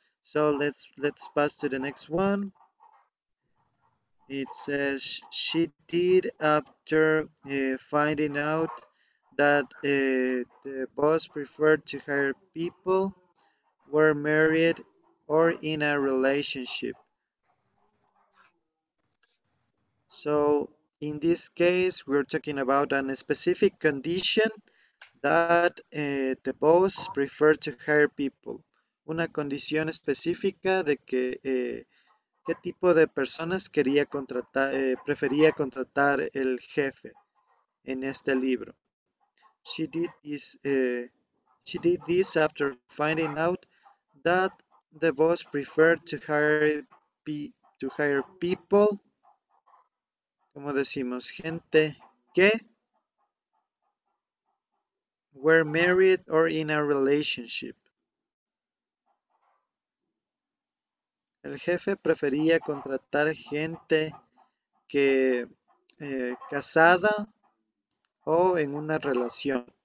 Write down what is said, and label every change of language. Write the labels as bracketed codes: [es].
[en] So let's pass to the next one. It says she did after finding out that the boss preferred to hire people were married or in a relationship. So in this case, we're talking about a specific condition that the boss preferred to hire people. [es] Una condición específica de que ¿qué tipo de personas quería contratar, prefería contratar el jefe en este libro? [en] She did this after finding out that the boss preferred to hire people, [es] como decimos, gente que [en] were married or in a relationship. [es] El jefe prefería contratar gente que casada o en una relación.